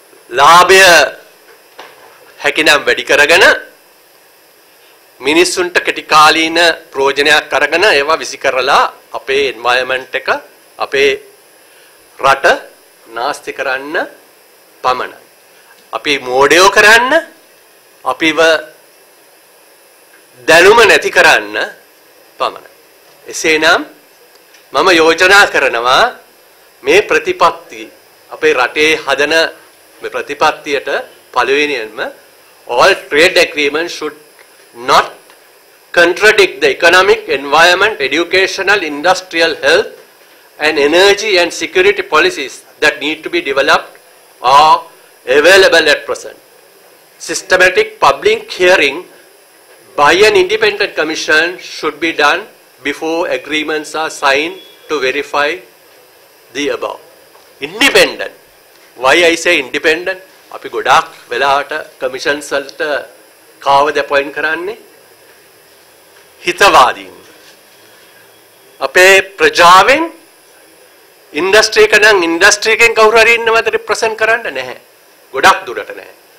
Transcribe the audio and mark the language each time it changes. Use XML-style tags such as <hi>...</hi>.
<si>ලාභය හැකිනම් වැඩි කරගෙන මිනිස්සුන්ට කෙටි කාලීන ප්‍රයෝජනයක් අරගෙන ඒවා විසි කරලා අපේ එන්වයර්න්මන්ට් එක අපේ රට නාස්ති කරන්න පමණයි. අපි මෝඩයෝ කරන්න, අපිව දැනුම නැති කරන්න පමණයි. එසේනම් මම යෝජනා කරනවා මේ ප්‍රතිපත්ති අපේ රටේ හදන මේ ප්‍රතිපත්තියට පළවෙනියෙන්ම</si> <en>all trade agreements should not contradict the economic, environment, educational, industrial, health and energy and security policies that need to be developed or available at present. Systematic public hearing by an independent commission should be done before agreements are signed to verify the above. Independent. Why I say independent?</en> <si>අපි ගොඩාක් වෙලාවට commissions වලට කවද appoint කරන්නේ? හිතවාදීන්. අපේ ප්‍රජාවෙන් industry එක නම් industry එකෙන් කවුරු හරි ඉන්නවද represent කරන්න? නැහැ. ගොඩක් දුරට නැහැ.</si>